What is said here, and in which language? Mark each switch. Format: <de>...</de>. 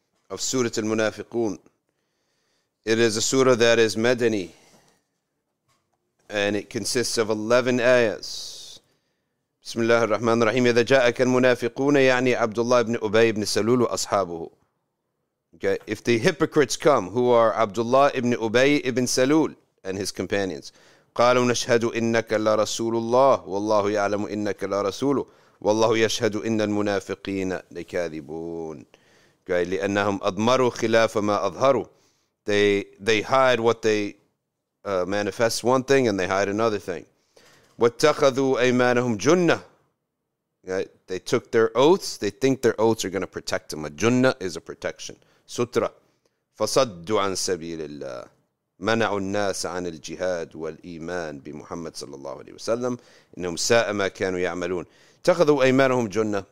<en>Of Surah Al-Munafiqun. It is a surah that is Madani, and it consists of 11 ayahs. Bismillah ar-Rahman ar-Rahim.</en> <ar>إذا جاءك المنافقون يعني عبد الله بن أبي بن سلول وأصحابه.</ar> <en>Okay, if the hypocrites come, who are Abdullah ibn Ubay ibn Salul and his companions,</en> <ar>قالوا نشهد إنك لرسول الله والله يعلم إنك لرسوله والله يشهد إن المنافقين لكاذبون. Okay, لأنهم أضمروا خلاف ما أظهروا.</ar> <en>They hide what they manifest one thing and they hide another thing.</en> <ar>وَاتَّخَذُوا أَيْمَانَهُمْ جُنَّةً. Right?</ar> <en>They took their oaths. They think their oaths are going to protect them. A junnah is a protection.</en> <ar>Sutra. فَصَدُّ عَن سَبِيلِ اللَّهِ مَنَعُ النَّاسَ عَنِ الْجِهَادِ وَالْإِيمَانِ بِمُحَمَّدِ صَلَى اللَّهُ عَلَيْهِ وَسَلَّمْ إِنَّهُمْ سَاءَ مَا كَانُوا يَعْمَلُونَ تَخَذُوا أَيْمَانَهُمْ جُنَّةً.</ar>